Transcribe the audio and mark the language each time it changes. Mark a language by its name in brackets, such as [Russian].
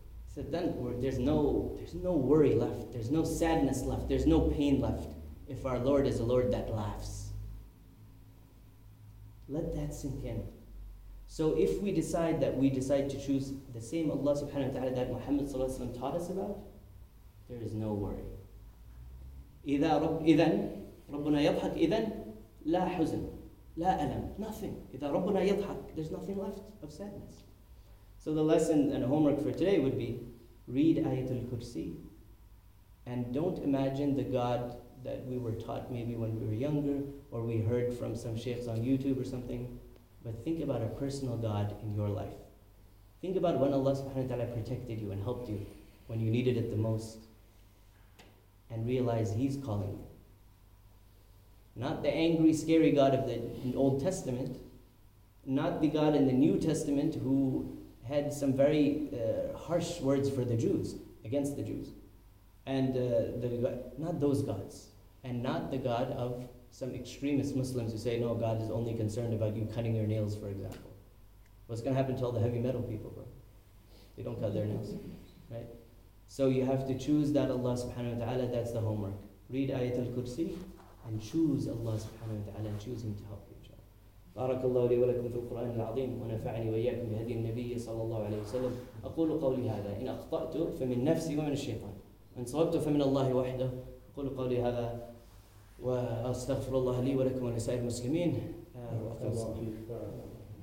[English] He said, then there's no worry left. There's no sadness left. There's no pain left if our Lord is a Lord that laughs. Let that sink in. So if we decide that we decide to choose the same Allah subhanahu wa ta'ala that Muhammad sallallahu alayhi wa sallam taught us about, there is no worry. [Arabic] إذا ربنا يضحك إذا لا حزن لا ألم, [English] nothing. [Arabic] إذا ربنا يضحك, [English] there's nothing left of sadness. So the lesson and homework for today would be, read Ayatul Kursi, and don't imagine the God that we were taught maybe when we were younger, or we heard from some sheikhs on YouTube or something, but think about a personal God in your life. Think about when Allah subhanahu wa ta'ala protected you and helped you when you needed it the most, and realize He's calling you. Not the angry, scary God of the Old Testament, not the God in the New Testament who had some very harsh words for the Jews, against the Jews. And not those gods. And not the God of some extremist Muslims who say, no, God is only concerned about you cutting your nails, for example. What's going to happen to all the heavy metal people, bro? They don't cut their nails, right? So you have to choose that Allah subhanahu wa ta'ala, that's the homework. Read Ayatul Kursi and choose Allah subhanahu wa ta'ala and choose Him to help. [Arabic] بارك الله لي ولكم في القرآن العظيم ونفعني وإياكم بهدي النبي صلى الله عليه وسلم أقول قولي هذا إن أخطأت فمن نفسي ومن الشيطان وإن صوبت فمن الله وحده أقول قولي هذا وأستغفر الله لي ولكم ولسائر المسلمين وأخذ الله